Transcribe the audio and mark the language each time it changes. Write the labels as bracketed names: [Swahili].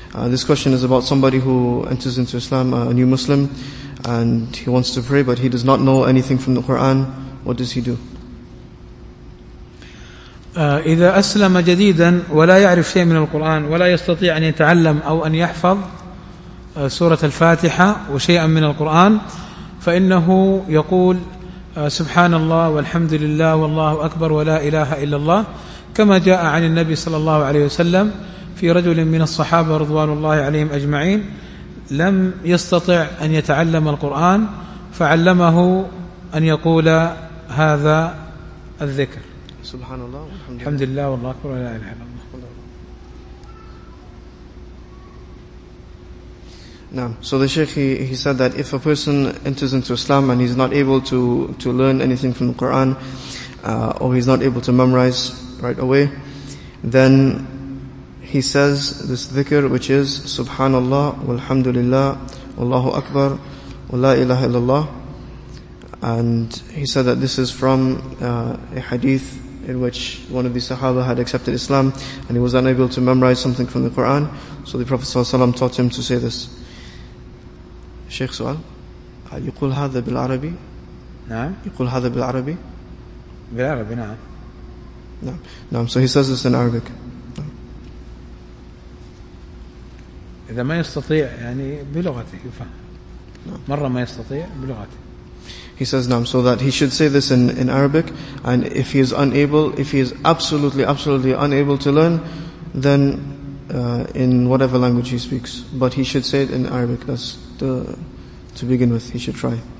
[English] This question is about somebody who enters into Islam, a new Muslim, and he wants to pray but he does not know anything from the Quran. What does he do? [Arabic] إذا أسلم جديدا ولا يعرف شيء من القرآن ولا يستطيع أن يتعلم أو أن يحفظ سورة الفاتحة وشيئا من القرآن فإنه يقول سبحان الله والحمد لله والله أكبر ولا إله إلا الله كما جاء عن النبي صلى الله عليه وسلم في رجل من الصحابة رضوان الله عليهم أجمعين لم يستطع أن يتعلم القرآن فعلمه أن يقول هذا الذكر سبحان الله الحمد لله والله أكبر ولا إله إلا الله. [English] So the Sheikh, he said that if a person enters into Islam and he's not able to learn anything from the Quran or he's not able to memorize right away, then he says this dhikr, which is Subhanallah, walhamdulillah, Allahu Akbar, wa la ilaha illallah. And he said that this is from a hadith in which one of the Sahaba had accepted Islam and he was unable to memorize something from the Quran. So the Prophet ﷺ taught him to say this. [Arabic] Sheikh Su'al, يقول هذا بالعربي؟ نعم. يقول هذا بالعربي؟ بالعربي نعم. نعم. [English] So he says this in Arabic. [Arabic] إذا ما يستطيع يعني بلغته يفهم. مرة ما يستطيع بلغته. [English] He says نعم. So that he should say this in Arabic, and if he is unable, if he is absolutely unable to learn, then in whatever language he speaks, but he should say it in Arabic. That's to begin with, he should try.